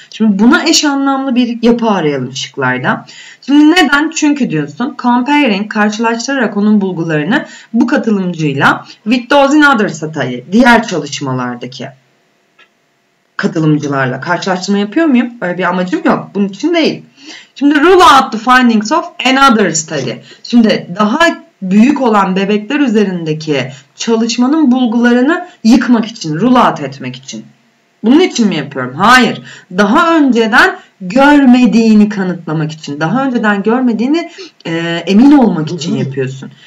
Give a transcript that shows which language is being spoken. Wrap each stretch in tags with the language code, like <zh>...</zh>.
<tr>Şimdi buna eş anlamlı bir yapı arayalım şıklarda. Şimdi neden? Çünkü diyorsun comparing, karşılaştırarak onun bulgularını bu katılımcıyla</tr> <en>with those in other study,</en> <tr>diğer çalışmalardaki katılımcılarla karşılaştırma yapıyor muyum? Öyle bir amacım yok. Bunun için değil.</tr> <en>Şimdi rule out the findings of another study.</en> <tr>Şimdi daha büyük olan bebekler üzerindeki çalışmanın bulgularını yıkmak için, rulat etmek için Bunun için mi yapıyorum? Hayır. Daha önceden görmediğini kanıtlamak için. Daha önceden görmediğini emin olmak için yapıyorsun.</tr>